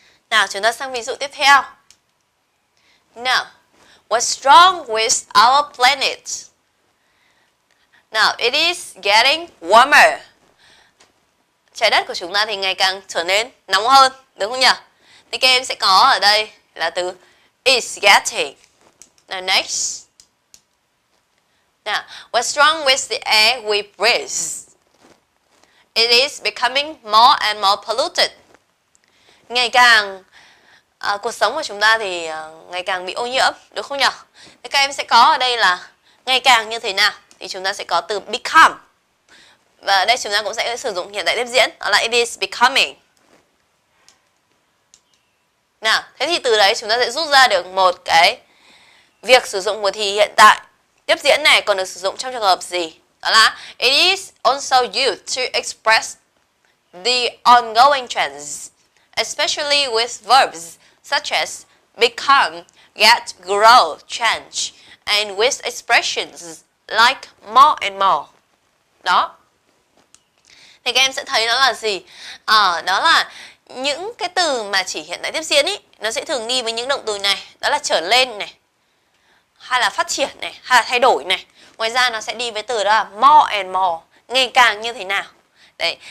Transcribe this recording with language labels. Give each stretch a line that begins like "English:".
Vietnamese: Nào, chúng ta sang ví dụ tiếp theo.
English: Now, what's wrong with our planet? Now, it is getting warmer.
Vietnamese: Trái đất của chúng ta thì ngày càng trở nên nóng hơn, đúng không nhỉ? Thì các em sẽ có ở đây là từ is getting.
English: Now, next. Now, what's wrong with the air we breathe? It is becoming more and more polluted.
Vietnamese: Ngày càng cuộc sống của chúng ta thì ngày càng bị ô nhiễm, đúng không nhỉ? Thì các em sẽ có ở đây là ngày càng như thế nào? Thì chúng ta sẽ có từ become. Và ở đây chúng ta cũng sẽ sử dụng hiện tại tiếp diễn, đó là
English: it is becoming.
Vietnamese: Nào, thế thì từ đấy chúng ta sẽ rút ra được một cái việc sử dụng của thì hiện tại tiếp diễn này còn được sử dụng trong trường hợp gì?
English: Đó là it is also used to express the ongoing trends, especially with verbs such as become, get, grow, change, and with expressions like more and more.
Vietnamese: Đó. Thì các em sẽ thấy nó là gì? Đó là những cái từ mà chỉ hiện tại tiếp diễn ý, nó sẽ thường đi với những động từ này. Đó là trở lên này, hay là phát triển này, hay là thay đổi này. Ngoài ra nó sẽ đi với từ đó là more and more, ngày càng như thế nào. Đấy.